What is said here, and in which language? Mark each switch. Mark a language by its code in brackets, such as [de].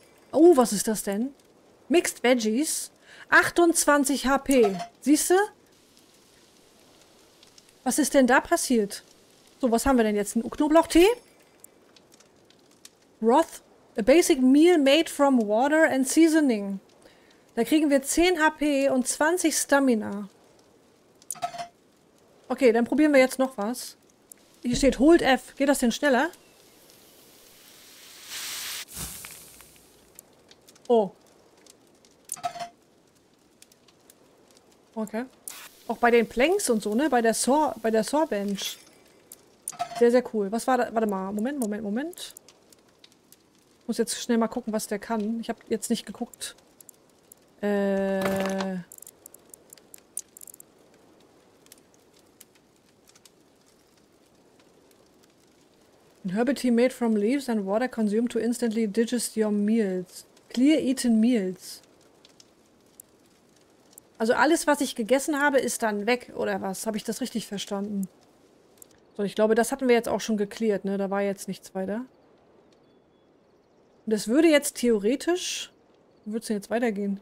[de] Oh, was ist das denn? Mixed Veggies. 28 HP. Siehst du? Was ist denn da passiert? So, was haben wir denn jetzt? Ein Knoblauchtee? Roth. [en] A basic meal made from water and seasoning. [de] Da kriegen wir 10 HP und 20 Stamina. Okay, dann probieren wir jetzt noch was. Hier steht Hold F. Geht das denn schneller? Oh. Okay. Auch bei den Planks und so, ne? Bei der Sawbench. Sehr, sehr cool. Was war da? Warte mal. Moment, Moment, Moment. Ich muss jetzt schnell mal gucken, was der kann. Ich habe jetzt nicht geguckt. [en] An herbal tea made from leaves and water consumed to instantly digest your meals. Clear Eaten Meals. [de] Also alles, was ich gegessen habe, ist dann weg, oder was? Habe ich das richtig verstanden? So, ich glaube, das hatten wir jetzt auch schon geklärt, ne? Da war jetzt nichts weiter. Und das würde jetzt theoretisch... Wo würde es denn jetzt weitergehen?